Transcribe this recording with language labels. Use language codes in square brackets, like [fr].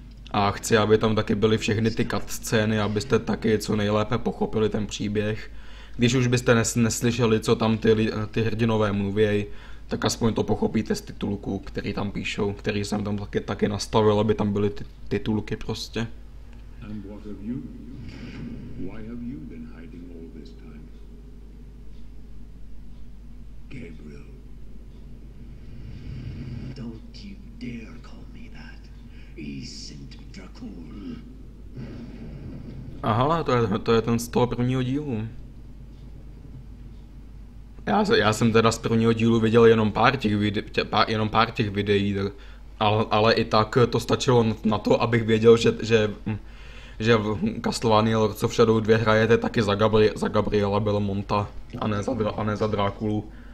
[cs] A chci, aby tam taky byly všechny ty cutscény, abyste taky co nejlépe pochopili ten příběh. Když už byste neslyšeli, co tam ty hrdinové mluvěj, tak aspoň to pochopíte z titulků, který tam píšou, který jsem tam taky nastavil, aby tam byly ty titulky prostě. [en] Why have you been hiding all this time? Gabriel. Don't you dare call me that. He sent Dracul. [cs] Aha, to je ten z toho prvního dílu. Já jsem teda z prvního dílu viděl jenom pár těch videí, ale i tak to stačilo na to, abych věděl, že v Castlevania Lords of Shadow 2 hrajete taky za Gabriela Belmonta a ne za Drákulu.